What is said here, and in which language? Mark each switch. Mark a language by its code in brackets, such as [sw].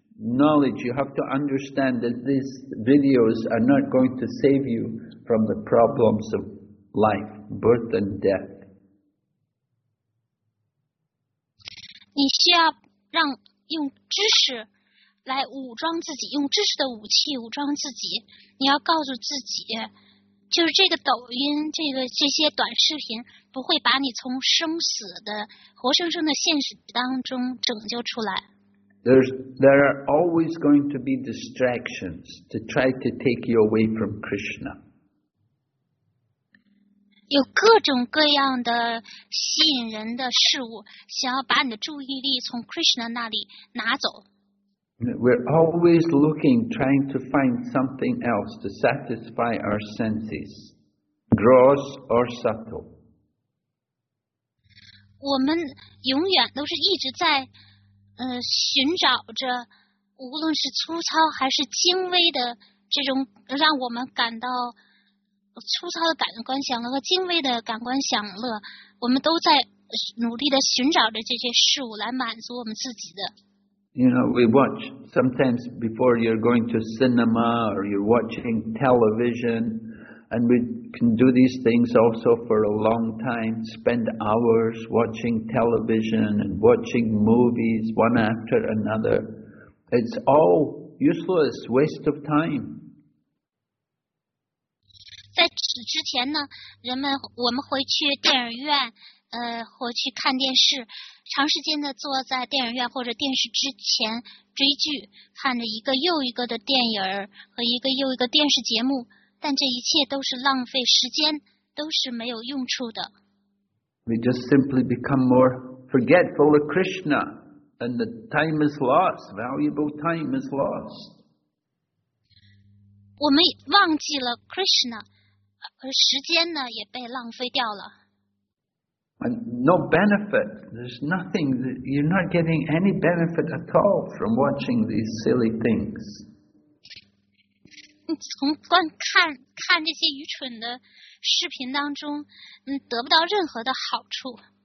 [en] Knowledge, you have to understand that these videos are not going to save you from the problems of life, birth and death. [zh] 你需要让用知识来武装自己，用知识的武器武装自己。你要告诉自己，就是这个抖音，这些短视频不会把你从生死的活生生的现实当中拯救出来。 [en] There are always going to be distractions to try to take you away from Krishna. [zh] 有各种各样的吸引人的事物，想要把你的注意力从 Krishna 那里拿走。 [en] We're always looking, trying to find something else to satisfy our senses, gross or subtle. [zh] 我们永远都是一直在寻找着，无论是粗糙还是精微的这种让我们感到粗糙的感官享乐和敬畏的感官享乐，我们都在努力的寻找着这些事物来满足我们自己的。 [en] You know, we watch sometimes before you're going to cinema or you're watching television, and we can do these things also for a long time, spend hours watching television and watching movies one after another. It's all useless, waste of time. [zh] 在此之前呢，人们我们会去电影院，或去看电视，长时间的坐在电影院或者电视之前追剧，看着一个又一个的电影和一个又一个电视节目，但这一切都是浪费时间，都是没有用处的。 [en] We just simply become more forgetful of Krishna, and the time is lost. Valuable time is lost. [zh] 我们忘记了 Krishna, 而时间呢也被浪费掉了。 [en] And no benefit. There's nothing. You're not getting any benefit at all from watching these silly things. [zh] 从观看看这些愚蠢的视频当中，得不到任何的好处。